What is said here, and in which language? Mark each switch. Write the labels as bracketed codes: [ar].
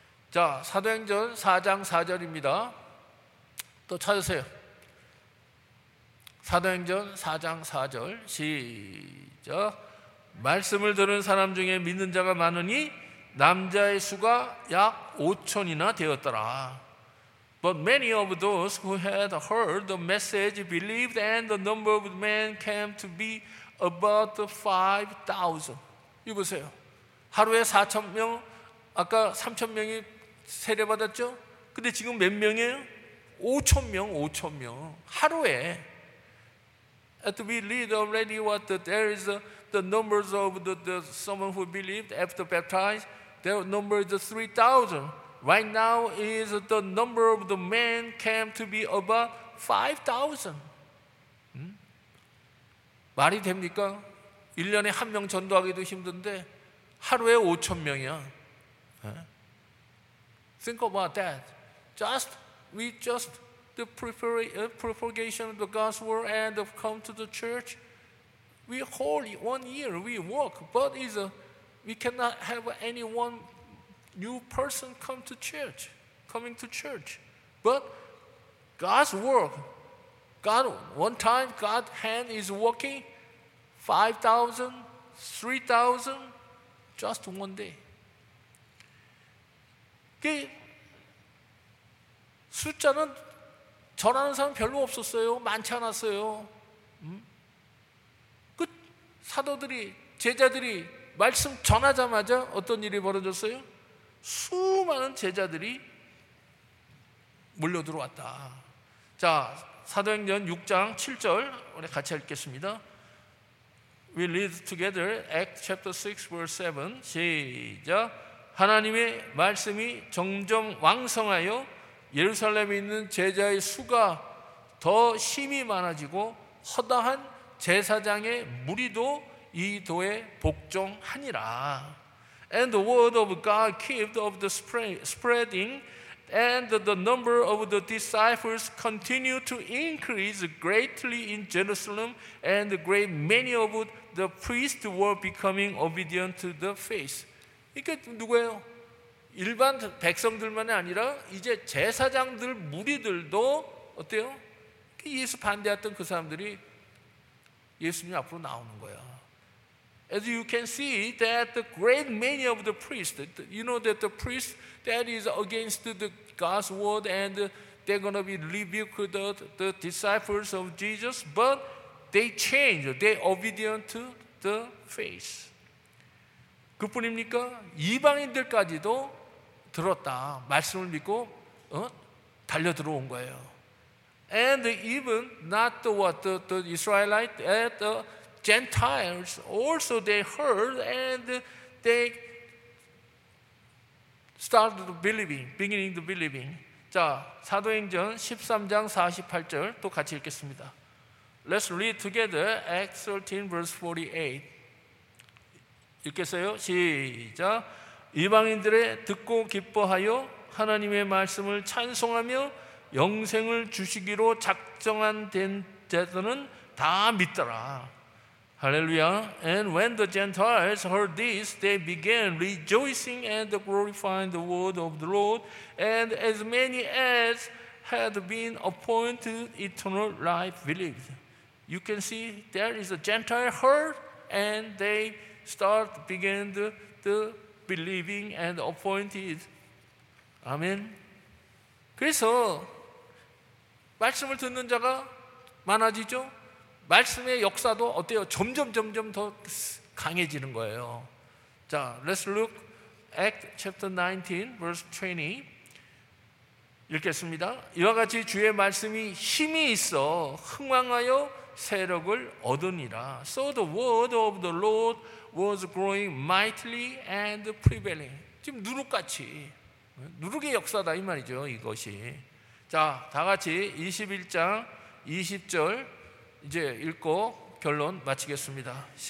[ko] 자, 사도행전 4장 4절입니다. 또 찾으세요. 사도행전 4장 4절 시작. 말씀을 들은 사람 중에 믿는 자가 많으니 남자의 수가 약 5천이나 되었더라. [en] But many of those who had heard the message believed, and the number of men came to be about 5,000. [ko] 이 보세요. 하루에 4천 명, 아까 3천 명이 세례받았죠? 근데 지금 몇 명이에요? 5천 명, 5천 명. 하루에. [en] And we read already what there is the numbers of the someone who believed after baptized. Their number is 3,000. Right now is the number of the men came to be about 5,000. [ko] 말이 됩니까? 1년에 한 명 전도하기도 힘든데 하루에 5천 명이야. [en] Think about that. The propagation of the gospel and of come to the church. We hold one year, we work, but we cannot have any one new person coming to church. But God's work, God's hand is working 5,000, 3,000, just one day. [ko] 숫자는 전하는 사람 별로 없었어요. 많지 않았어요. 그 사도들이, 제자들이 말씀 전하자마자 어떤 일이 벌어졌어요? 수많은 제자들이 몰려들어왔다. 자, 사도행전 6장 7절 우리 같이 읽겠습니다. [en] We read together Acts chapter 6 verse 7. [ko] 시작. 하나님의 말씀이 점점 왕성하여 예루살렘에 있는 제자의 수가 더 심히 많아지고 허다한 제사장의 무리도 이 도에 복종하니라. [en] And the word of God kept of the spreading and the number of the disciples continued to increase greatly in Jerusalem and great many of the priests were becoming obedient to the faith. [ko] 이게 누구예요? 일반 백성들만이 아니라 이제 제사장들 무리들도 어때요? 예수 반대했던 그 사람들이 예수님 앞으로 나오는 거야. [en] As you can see that the great many of the priests, you know that the priest that is against the God's word and they're going to be rebuked the disciples of Jesus, but they change, they're obedient to the faith. [ko] 그뿐입니까? 이방인들까지도 들었다. 말씀을 믿고 달려 들어온 거예요. [en] And even not the what the Israelite, the Gentiles also they heard and they started beginning to believe. [ko] 자, 사도행전 13장 48절 또 같이 읽겠습니다. [en] Let's read together Acts 13 verse 48. [ko] 읽겠어요? 시작. 이방인들의 듣고 기뻐하여 하나님의 말씀을 찬송하며 영생을 주시기로 작정한 된 자들은 다 믿더라. 할렐루야. [en] And when the Gentiles heard this, they began rejoicing and glorifying the word of the Lord, and as many as had been appointed eternal life believed. You can see there is a Gentile heard, and they began to believing and appointed. Amen. [ko] 그래서 말씀을 듣는 자가 많아지죠. 말씀의 역사도 어때요? 점점 더 강해지는 거예요. [en] 자, let's look Acts chapter 19 verse 20. [ko] 읽겠습니다. 이와 같이 주의 말씀이 힘이 있어 흥왕하여 세력을 얻으니라. [en] So the word of the Lord was growing mightily and prevailing. [ko] 지금 누룩같이 누룩의 역사다 이 말이죠 이것이. 자, 다 같이 21장 20절 이제 읽고 결론 마치겠습니다.